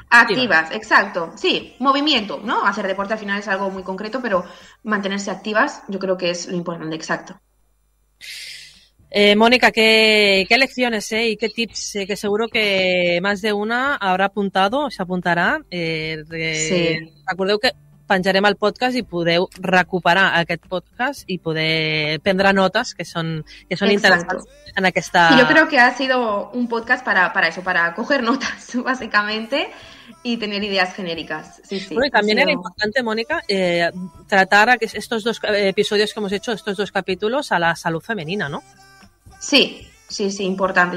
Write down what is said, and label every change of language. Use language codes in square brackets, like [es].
[es] Activas, exacto. Sí, movimiento, ¿no? Hacer deporte al final es algo muy concreto, pero mantenerse activas yo creo que es lo importante, exacto. Mónica, ¿qué lecciones y qué tips? Que seguro que más de una habrá apuntado, se apuntará. Recuerdo que [ca] penjarem el podcast i podeu recuperar aquest podcast i poder prendre notes que són interessants en aquesta... [es] Y yo creo que ha sido un podcast para eso, para coger notas, básicamente, y tener ideas genéricas. Sí, bueno, y también era importante, Mónica, tratar estos dos episodios que hemos hecho, estos dos capítulos, a la salud femenina, ¿no? Sí, importante.